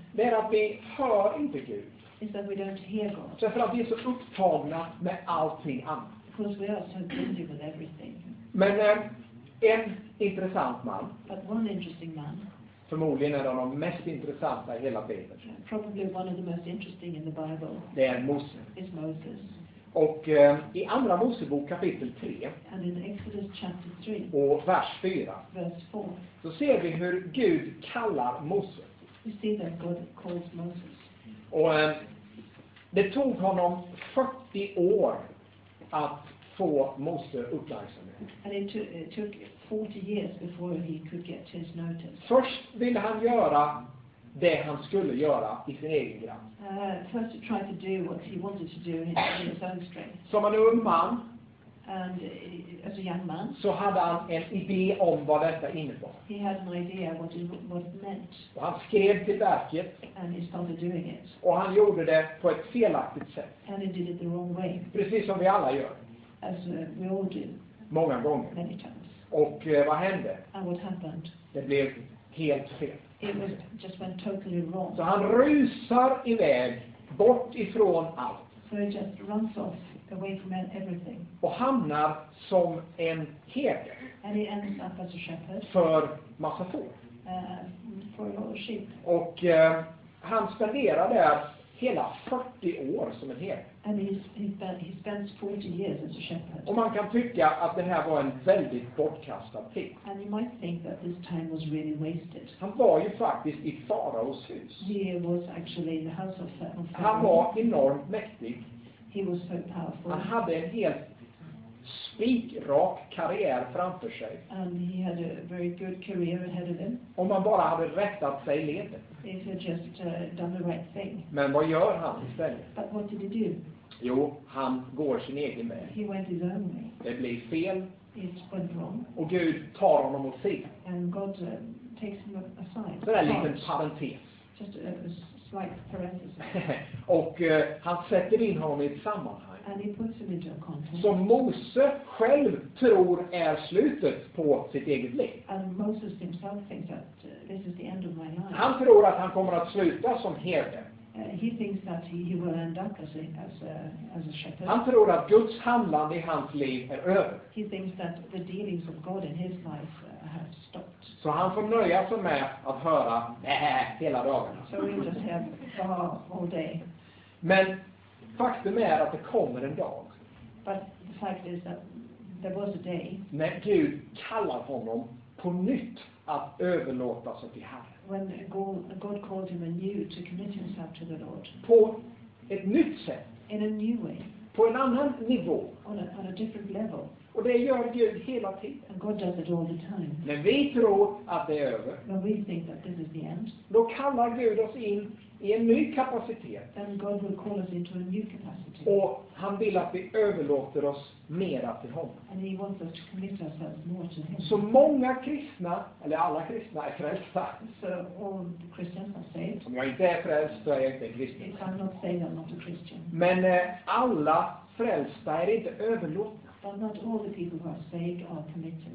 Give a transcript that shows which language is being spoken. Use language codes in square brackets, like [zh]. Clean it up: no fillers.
[sv] Det är att vi hör inte Gud. [en] Is that we don't hear God. [sv] Därför att vi är så upptagna med allting annat. [en] Because we are so busy with everything. [sv] Men en intressant man. [en] But one interesting man. [sv] Förmodligen är det de mest intressanta i hela Bibeln. [en] Probably one of the most interesting in the Bible. [sv] Det är Moses. [en] Is Moses. [sv] Och i andra Mosebok kapitel 3 [en] and in Exodus chapter 3 [sv] och vers 4, [en] verse 4 [sv] så ser vi hur Gud kallar Mose. [en] You see that God calls Moses. [sv] Och det tog honom 40 år att få Mose uppmärksamhet. [en] And it took 40 years before he could get his notice. [sv] Först ville han göra det han skulle göra i sin egen kraft. [en] First to try to do what he wanted to do in his own strength. [sv] Som en ung man. [en] And as a young man. [sv] Så hade han en idé om vad detta innebar. [en] He had an idea what it meant. [sv] Och han skrev till verket. [en] And he started doing it. [sv] Och han gjorde det på ett felaktigt sätt. [en] And he did it the wrong way. [sv] Precis som vi alla gör. [en] As we all do. [sv] Många gånger. [en] Many times. [sv] Och vad hände? [en] And what happened? [sv] Det blev helt fel. [en] It was just went totally wrong. [sv] Så han rusar iväg bort ifrån allt. [en] So he just runs off away from everything. [sv] Och hamnar som en herde. [en] And he ends up as a shepherd. [sv] För massa får. [en] For a lot of sheep. [sv] Och han spenderar där hela 40 år som en herde. [en] And he spends 40 years as a shepherd. [sv] Och man kan tycka att det här var en väldigt bortkastad tid. [en] And you might think that this time was really wasted. [sv] Han var ju faktiskt i faraos hus. [en] He was actually in the house of Pharaoh. [sv] Han var enormt mäktig. [en] He was so powerful. [sv] Han hade en helt spikrak karriär framför sig. [en] And he had a very good career ahead of him. [sv] Om man bara hade rättat sig i ledet. [en] If he just done the right thing. [sv] Men vad gör han istället? [en] But what did he do? [sv] Jo, han går sin egen väg. [en] He went his own way. [sv] Det blir fel. [en] It went wrong. [sv] Och Gud tar honom åt sidan. [en] And God takes him aside. [sv] Så det är en liten parentes. [en] Just a slight parenthesis. [sv] Och han sätter in honom i ett sammanhang. [en] And he puts him into a context. [sv] Som Mose själv tror är slutet på sitt eget liv. [en] And Moses himself thinks that this is the end of my life. [sv] Han tror att han kommer att sluta som herde. [en] He thinks that he will end up as a shepherd. [sv] Han tror att Guds handlande i hans liv är över. [en] He thinks that the dealings of God in his life have stopped. [sv] Så han får nöja sig med att höra hela dagen. [en] So he just have all day. [sv] Men faktum är att det kommer en dag. [en] But the fact is that there was a day. [sv] När Gud kallar honom på nytt att överlåta sig till Herren. [en] When God called him anew to commit himself to the Lord. [sv] På ett nytt sätt. [en] In a new way. [sv] På en annan nivå. [en] On a different level. [sv] Och det gör Gud hela tiden. [en] And God does it all the time. [sv] När vi tror att det är över. [en] When we think that this is the end. [sv] Då kallar Gud oss in i en ny kapacitet. [en] Then God will call us into a new capacity. [sv] Och han vill att vi överlåter oss mera till honom. [en] And he wants us to commit ourselves more to him. [sv] Så många kristna, eller alla kristna, är frälsta. [en] So all the Christians are saved. [sv] Om jag inte är frälst, så är jag inte kristen. [en] If I'm not saved, I'm not a Christian. [sv] Men alla frälsta är inte överlåtna. [en] But not all the people who are saved are committed.